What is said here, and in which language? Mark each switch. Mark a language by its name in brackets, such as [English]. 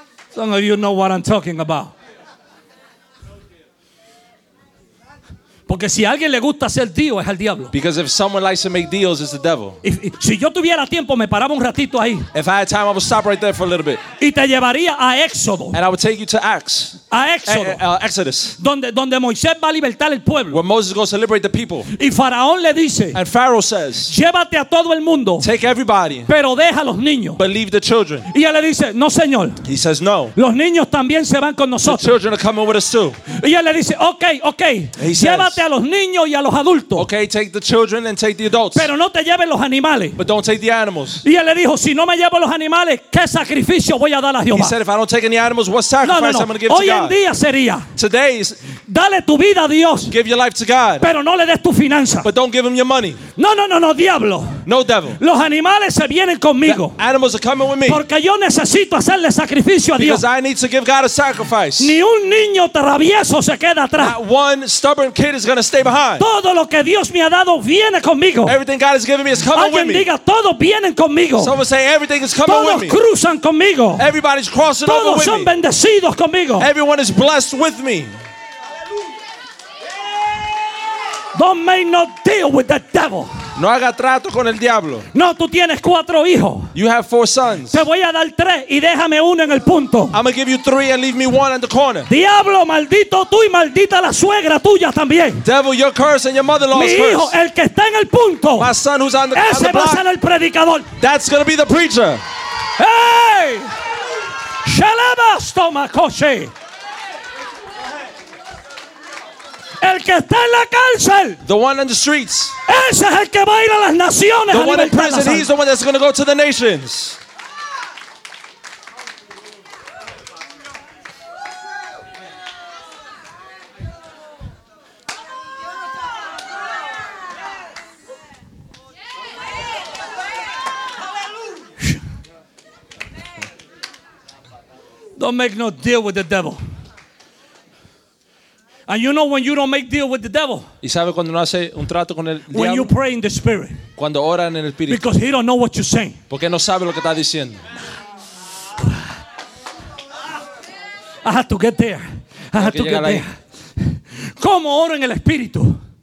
[English] Some of you know what I'm talking about. [Spanish] Porque si a alguien le gusta hacer tío, es al diablo. [English] Because if someone likes to make deals, it's the devil. [Spanish] Si yo tuviera tiempo, me paraba un ratito ahí. [English] If I had time, I would stop right there for a little bit. [Spanish] Y te llevaría a Éxodo. [English] And I would take you to Acts. [Spanish] A Éxodo. [English] Exodus. [Spanish] Donde Moisés va a libertar el pueblo. [English] Where Moses goes to liberate the people. [Spanish] Y Faraón le dice. [English] And Pharaoh says. [Spanish] Llévate a todo el mundo. [English] Take everybody. [Spanish] Pero deja a los niños. [English] But leave the children. [Spanish] Y él le dice, no señor. [English] He says no. [Spanish] Los niños también se van con nosotros. [English] The children are coming with us too. [Spanish] Y él le dice, okay. [English] He [Spanish] Llévate [English] says. [Spanish] A los niños y a los adultos. [English] Okay, take the children and take the adults. [Spanish] Pero no te lleves los animales. [English] But don't take the animals. [Spanish] Y él le dijo, si no me llevo los animales, ¿qué sacrificio voy a dar a Jehová? [English] He said, if I don't take any animals, what sacrifice [Spanish] no, no, no. [English] I'm going to give [Spanish] Hoy [English] to God? [Spanish] Hoy en día sería. [English] Today's. [Spanish] Dale tu vida a Dios. [English] Give your life to God. [Spanish] Pero no le des tu finanza. [English] But don't give him your money. [Spanish] No, diablo. [English] No devil. [Spanish] Los animales se vienen conmigo. [English] The animals are coming with me. [Spanish] Porque yo necesito hacerle sacrificio a Dios. [English] Because I need to give God a sacrifice. [Spanish] Ni un niño travieso se queda atrás. [English] Not one stubborn kid is going to stay behind. [Spanish] Todo lo que Dios me ha dado viene conmigo. [English] Everything God has given me is coming [Spanish] Alguien [English] with me. [Spanish] Diga, todos vienen conmigo. [English] Someone say everything is coming [Spanish] todos [English] with me. [Spanish] Todos cruzan conmigo. [English] Everybody's crossing [Spanish] todos [English] over with me. [Spanish] Todos son bendecidos conmigo. [English] Everyone is blessed with me. Don't make no deal with the devil. [Spanish] No haga trato con el diablo. No, tú tienes cuatro hijos. [English] You have four sons. [Spanish] Te voy a dar tres y déjame uno en el punto. [English] I'm gonna give you three and leave me one in the corner. [Spanish] Diablo, maldito tú y maldita la suegra tuya también. [English] Devil, your curse and your mother-in-law's curse. [Spanish] Mi hijo, el que está en el punto. [English] My son who's on the block. [Spanish] Ese va a ser el predicador. [English] That's gonna be the preacher. Hey! Shalabastoma koshi. [Spanish] El que está en la cárcel. [English] The one in the streets. [Spanish] Ese es el que va a ir a las naciones. [English] The one in prison. He's the one that's going to go to the nations. Don't make no deal with the devil. And you know when you don't make deal with the devil. [Spanish] ¿Y sabe cuando no hace un trato con el diablo? [English] When you pray in the spirit. [Spanish] Cuando oran en el espíritu. [English] Because he don't know what you're saying. [Spanish] Porque no sabe lo que está diciendo. [English] I have to get there. I have to get there. [Spanish] ¿Cómo oro en el espíritu?